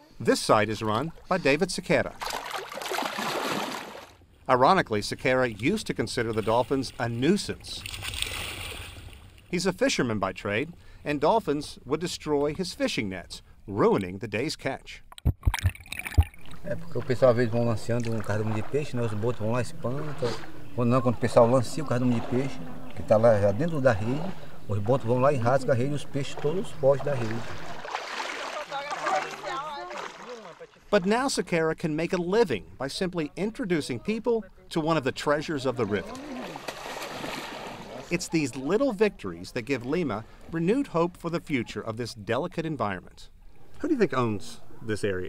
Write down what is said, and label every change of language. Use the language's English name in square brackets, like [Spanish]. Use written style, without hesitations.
[English] This site is run by David Sequeira. Ironically, Sequeira used to consider the dolphins a nuisance. He's a fisherman by trade, and dolphins would destroy his fishing nets, ruining the day's catch. [Portuguese] É porque o pessoal às vezes vão lanceando um cardume de peixe, né? Os botos vão lá espantam. Ou não, quando o pessoal lanceia o cardume de peixe, que está lá já dentro da rede, os botos vão lá e rasgam a rede e os peixes todos fogem da rede. [English] But now Sequeira can make a living by simply introducing people to one of the treasures of the river. It's these little victories that give Lima renewed hope for the future of this delicate environment. Who do you think owns this area?